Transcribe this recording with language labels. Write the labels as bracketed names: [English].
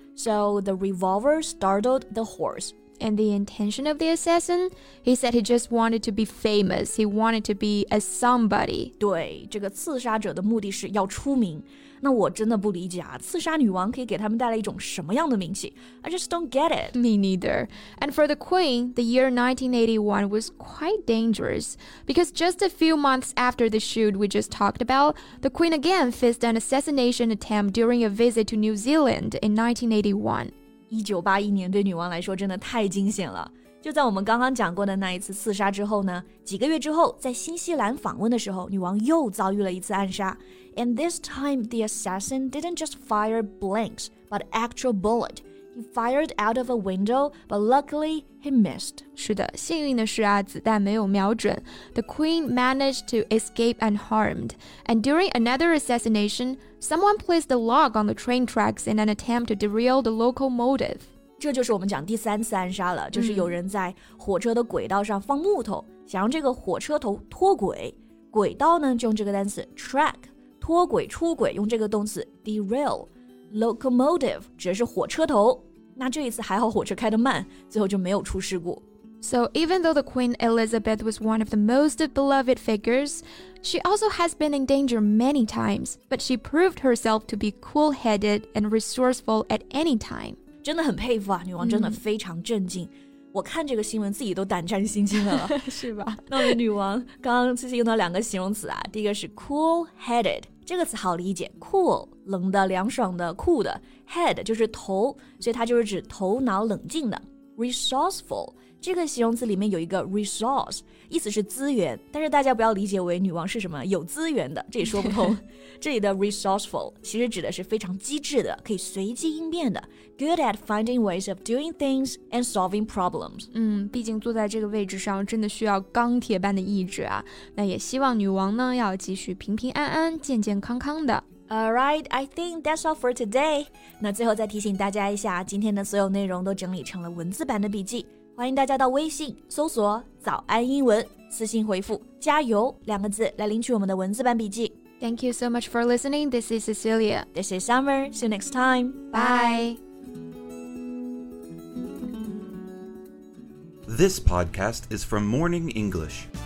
[English] So the revolver startled the horse. And the intention of the assassin? He said he just wanted to be famous. He wanted to be a somebody. [Chinese] 对，这个刺杀者的目的是要出名。那我真的不理解啊，刺杀女王可以给他们带来一种什么样的名气？ [English] I just don't get it. Me neither. And for the queen, the year 1981 was quite dangerous. Because just a few months after the shoot we just talked about, the queen again faced an assassination attempt during a visit to New Zealand in 1981. [Chinese] 1981年对女王来说真的太惊险了。就在我们刚刚讲过的那一次刺杀之后呢，几个月之后在新西兰访问的时候，女王又遭遇了一次暗杀。 [English] And this time the assassin didn't just fire blanks, but actual bullet. He fired out of a window, but luckily he missed. [Chinese] 是的，幸运的是啊，子弹没有瞄准。 [English] The queen managed to escape unharmed. And during another assassination,Someone placed a log on the train tracks in an attempt to derail the locomotive. [Chinese] 这就是我们讲第三次暗杀了，就是有人在火车的轨道上放木头，想让这个火车头脱轨。轨道呢，就用这个单词 track, 脱轨出轨用这个动词 derail, locomotive 指的是火车头。那这一次还好火车开得慢，最后就没有出事故。 [English] So even though the Queen Elizabeth was one of the most beloved figures, she also has been in danger many times, but she proved herself to be cool-headed and resourceful at any time. [Chinese] 真的很佩服啊，女王真的非常镇静。我看这个新闻自己都胆战心惊了。是吧？那我们女王刚刚其实用到两个形容词啊，第一个是 cool-headed, 这个词好理解 ,cool, 冷的、凉爽的、酷的 ,head 就是头，所以它就是指头脑冷静的。 Resourceful, 这个形容词里面有一个 resource, 意思是资源，但是大家不要理解为女王是什么有资源的，这也说不通。这里的 resourceful 其实指的是非常机智的，可以随机应变的， [English] good at finding ways of doing things and solving problems. [Chinese] 毕竟坐在这个位置上真的需要钢铁般的意志啊，那也希望女王呢要继续平平安安健健康康的。 [English] Alright, I think that's all for today. [Chinese] 那最后再提醒大家一下，今天的所有内容都整理成了文字版的笔记。欢迎大家到微信搜索早安英文，私信回复加油两个字来领取我们的文字版笔记。 [English] Thank you so much for listening. This is Cecilia. This is Summer. See you next time. Bye. This podcast is from Morning English.